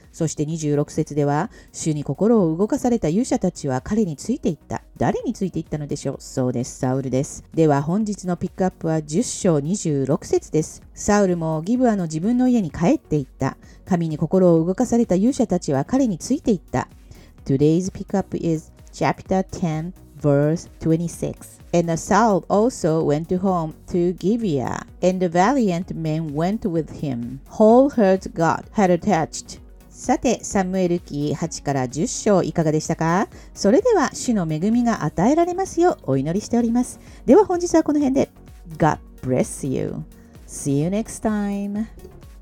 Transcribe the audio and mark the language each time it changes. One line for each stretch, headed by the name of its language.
Japanese: そして26節では主に心を動かされた勇者たちは彼についていった。誰についていったのでしょう。そうです、サウルです。では本日のピックアップは10章26節です。サウルもギブアの自分の家に帰っていった。神に心を動かされた勇者たちは彼についていった。
English: Today's pick up is chapter 10 verse 26. And Saul also went home to Gibeah, and the valiant men went with him. Whole herds God had attached.
Japanese: さて、サムエル記8から10章いかがでしたか？それでは主の恵みが与えられますようお祈りしております。では本日はこの辺で。
English: God bless you. See you next time.